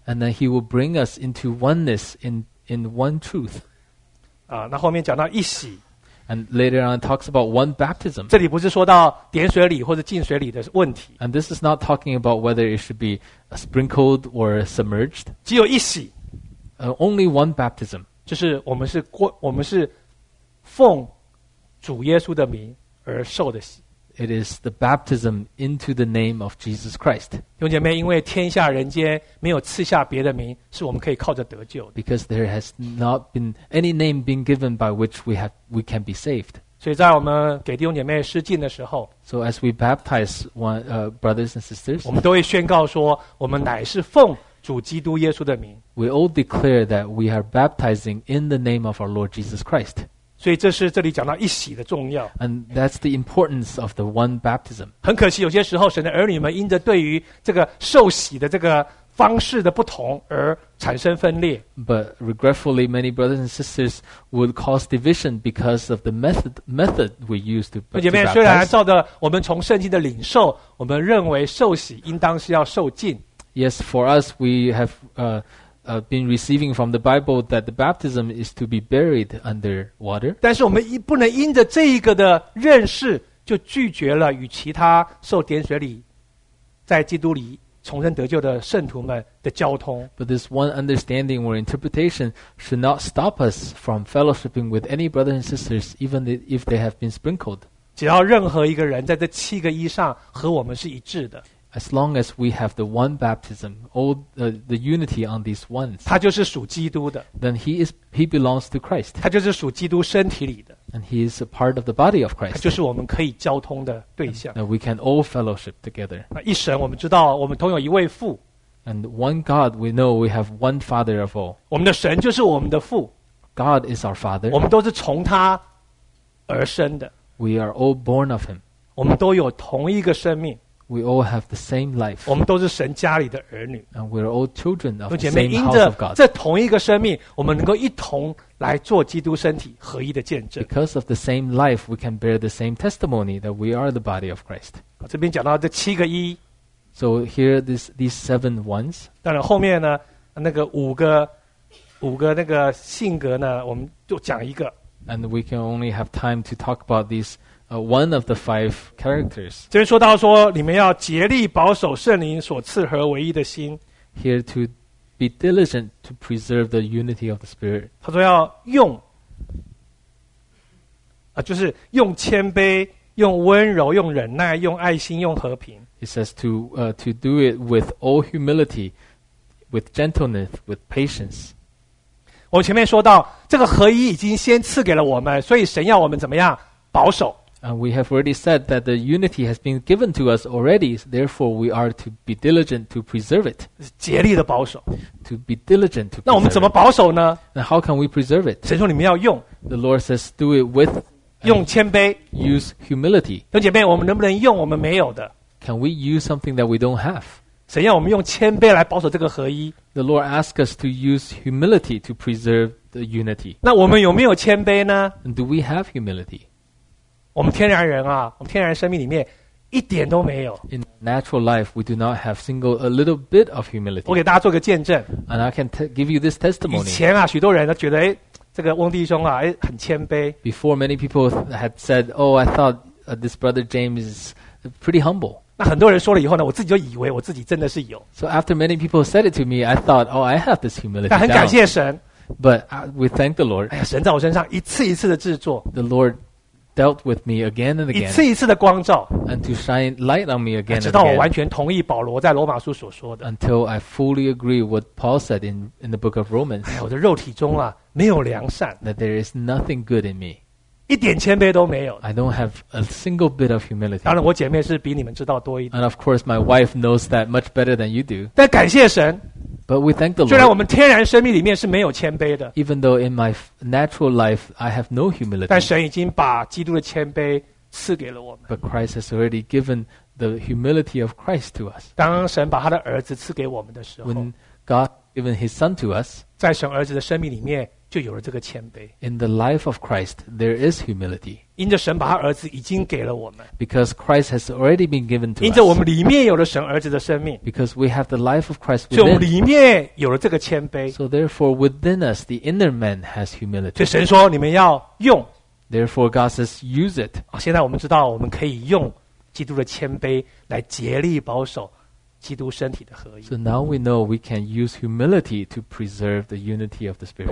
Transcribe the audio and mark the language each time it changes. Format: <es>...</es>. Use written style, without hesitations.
<en>And then he will bring us into oneness in one truth.</en> <zh>那后面讲到一洗。</zh> <en>And later on, it talks about one baptism.</en> <zh>这里不是说到点水礼或者浸水礼的问题。</zh> <en>And this is not talking about whether it should be sprinkled or submerged.</en> <zh>只有一洗。</zh> <en>Only one baptism.</en> <zh>就是我们是奉主耶稣的名而受的洗。</zh> <en>It is the baptism into the name of Jesus Christ.</en> <zh>弟兄姐妹，因为天下人间没有赐下别的名，是我们可以靠着得救的。</zh> <en>Because there has not been any name being given by which we can be saved.</en> <zh>所以在我们给弟兄姐妹施浸的时候</zh> <en>，So as we baptize one brothers and sisters,</en> <zh>我们都会宣告说，我们乃是奉主基督耶稣的名。</zh> <en>We all declare that we are baptizing in the name of our Lord Jesus Christ.</en> <zh>所以这是这里讲到一洗的重要。</zh> <en>And that's the importance of the one baptism.</en> <zh>很可惜，有些时候神的儿女们因着对于这个受洗的这个方式的不同而产生分裂。</zh> <en>But regretfully, many brothers and sisters would cause division because of the method we use to baptize.</en> <zh>姐妹，虽然照着我们从圣经的领受，我们认为受洗应当是要受浸。</zh> <en>Yes, for us, we have been receiving from the Bible that the baptism is to be buried under water.</en> <zh>但是我们不能因着这一个的认识就拒绝了与其他受点水礼在基督里重生得救的圣徒们的交通。</zh> <en>But this one understanding or interpretation should not stop us from fellowshipping with any brothers and sisters, even if they have been sprinkled.</en> <zh>只要任何一个人在这七个一上和我们是一致的。</zh> <en>As long as we have the one baptism, all the unity on these ones,</en> <zh>他就是属基督的。</zh> <en>Then he belongs to Christ.</en> <zh>他就是属基督身体里的。</zh> <en>And he is a part of the body of Christ.</en> <zh>他就是我们可以交通的对象。</zh> <en>And we can all fellowship together.</en> <zh>那一神我们知道我们同有一位父。</zh> <en>And one God, we know we have one Father of all.</en> <zh>我们的神就是我们的父。</zh> <en>God is our Father.</en> <zh>我们都是从他而生的。</zh> <en>We are all born of him.</en> <zh>我们都有同一个生命。</zh> <en>We all have the same life.</en> <zh>我们都是神家里的儿女。</zh> <en>And we are all children of the same house of God.</en> <zh>这同一个生命，我们能够一同来做基督身体合一的见证。</zh> <en>Because of the same life, we can bear the same testimony that we are the body of Christ.</en> <zh>这边讲到这七个一。</zh> <en>So here, these seven ones.</en> <zh>当然后面呢，那个五个那个性格呢，我们就讲一个。</zh> <en>And we can only have time to talk about these. One of the five characters.</en> <zh>这边说到说，你们要竭力保守圣灵所赐和唯一的心。</zh> <en>Here to be diligent to preserve the unity of the Spirit.</en> <zh>他说要用，就是用谦卑、用温柔、用忍耐、用爱心、用和平。</zh> <en>He says to do it with all humility, with gentleness, with patience.</en> <zh>我们前面说到，这个合一已经先赐给了我们，所以神要我们怎么样保守。</zh> <en>And we have already said that the unity has been given to us already, therefore we are to be diligent to preserve it.</en> <zh>竭力的保守。</zh> <en>To be diligent to preserve it.</en> <zh>那我们怎么保守呢?</zh> <en>And how can we preserve it?</en> <zh>神说你们要用。</zh> <en>The Lord says do it with</en> <zh>用谦卑。</zh> <en>Use humility.</en> <zh>弟兄姐妹，我们能不能用我们没有的?</zh> <en>Can we use something that we don't have?</en> <zh>神要我们用谦卑来保守这个合一。</zh> <en>The Lord asks us to use humility to preserve the unity.</en> <zh>那我们有没有谦卑呢?</zh> <en>And do we have humility?</en> <zh>我们天然人啊，我们天然生命里面一点都没有。</zh> <en>In natural life, we do not have a little bit of humility.</en> <zh>我给大家做个见证。</zh> <en>And I can give you this testimony.</en> <zh>以前啊，许多人都觉得，哎，这个翁弟兄啊，哎，很谦卑。</zh> <en>Before many people had said, "Oh, I thought this brother James is pretty humble."</en> <zh>那很多人说了以后呢，我自己就以为我自己真的是有。</zh> <en>So after many people said it to me, I thought, "Oh, I have this humility."</en> <zh>但很感谢神。</zh> <en>But we thank the Lord.</en> <zh>哎呀，神在我身上一次一次的制作。</zh> <en>The Lord. Dealt with me again and again,</en> <zh>一次一次的光照</zh> <en>and to shine light on me again and again,</en> <zh>直到我完全同意保罗在罗马书所说的</zh> <en>until I fully agree what Paul said in the book of Romans.</en> <zh>哎呀，我的肉体中啊，没有良善</zh> <en>that there is nothing good in me,</en> <zh>一点谦卑都没有</zh> <en>I don't have a single bit of humility.</en> <zh>当然，我姐妹是比你们知道多一点</zh> <en>and of course my wife knows that much better than you do.</en> <zh>但感谢神</zh> <en>but we thank the Lord.</en> <zh>虽然我们天然生命里面是没有谦卑的</zh> <en>even though in my natural life, I have no humility.</en> <zh>但神已经把基督的谦卑赐给了我们。</zh> <en>But Christ has already given the humility of Christ to us.</en> <zh>当神把他的儿子赐给我们的时候</zh> <en>when God given his son to us,</en> <zh>在神儿子的生命里面就有了这个谦卑。</zh> <en>In the life of Christ, there is humility.</en> <zh>因着神把他儿子已经给了我们。</zh> <en>Because Christ has already been given to us.</en> <zh>因着我们里面有了神儿子的生命。</zh> <en>Because we have the life of Christ within.</en> <zh>所以我们里面有了这个谦卑。</zh> <en>So therefore, within us, the inner man has humility.</en> <zh>所以神说你们要用。</zh> <en>Therefore, God says, use it.</en> <zh>现在我们知道我们可以用基督的谦卑来竭力保守。基督身体的合一。</zh> <en>So now we know we can use humility to preserve the unity of the Spirit.</en>